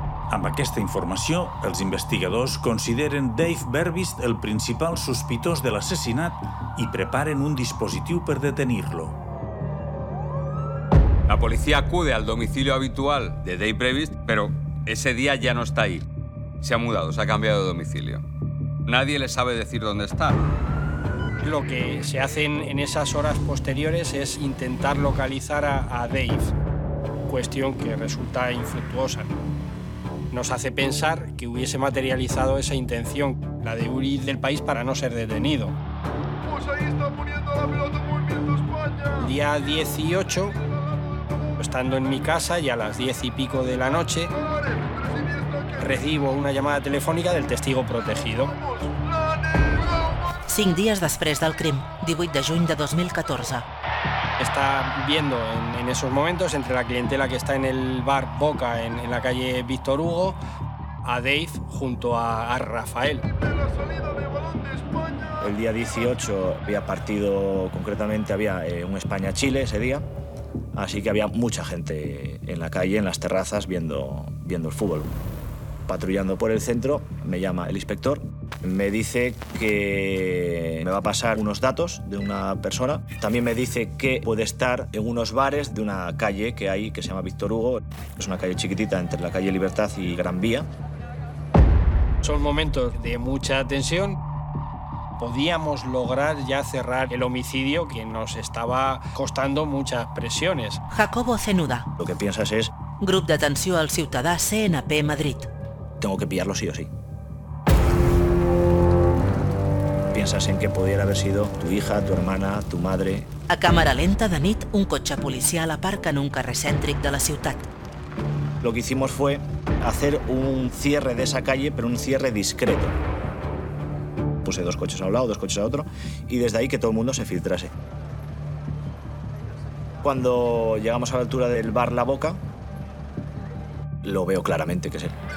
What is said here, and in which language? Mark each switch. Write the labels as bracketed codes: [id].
[ca] Amb aquesta informació, els investigadors consideren Dave Verbis el principal sospitós de l'assassinat i preparen un dispositiu per detenir-lo. [es] La policia acude al domicilio habitual de Dave Verbis, però ese dia [ca] ja no està [es] ahí. Se ha mudado, se ha cambiado de domicilio. Nadie le sabe decir dónde está. Lo que se hace en esas horas posteriores es intentar localizar a Dave, cuestión que resulta infructuosa. Nos hace pensar que hubiese materializado esa intención, la de huir del país para no ser detenido. Pues ahí está poniendo la pelota en movimiento España. Día 18, estando en mi casa y a las 10 y pico de la noche, recibo una llamada telefónica del testigo protegido. [ca] 5 dies després del crim, 18 de juny de 2014. [es] Está viendo en esos momentos, entre la clientela que está en el bar Boca, en la calle Víctor Hugo, a Dave junto a Rafael. El día 18 había partido, concretamente había un España-Chile ese día, así que había mucha gente en la calle, en las terrazas, viendo el fútbol. Patrullando por el centro, me llama el inspector. me dice que me va a pasar unos datos de una persona. También me dice que puede estar en unos bares de una calle que hay, que se llama Víctor Hugo. Es una calle chiquitita entre la calle Libertad y Gran Vía. Son momentos de mucha tensión. Podíamos lograr ya cerrar el homicidio que nos estaba costando muchas presiones. Jacobo Cenuda. Lo que piensas es... [ca] Grup d'Atenció al Ciutadà CNP Madrid. [es] Tengo que pillarlo sí o sí. Piensas en que pudiera haber sido tu hija, tu hermana, tu madre... [ca] A càmera lenta de nit, un cotxe policial aparca en un carrer cèntric de la ciutat. [es] Lo que hicimos fue hacer un cierre de esa calle, pero un cierre discreto. Puse dos coches a un lado, dos coches a otro, y desde ahí que todo el mundo se filtrase. Cuando llegamos a la altura del bar La Boca, lo veo claramente que es él.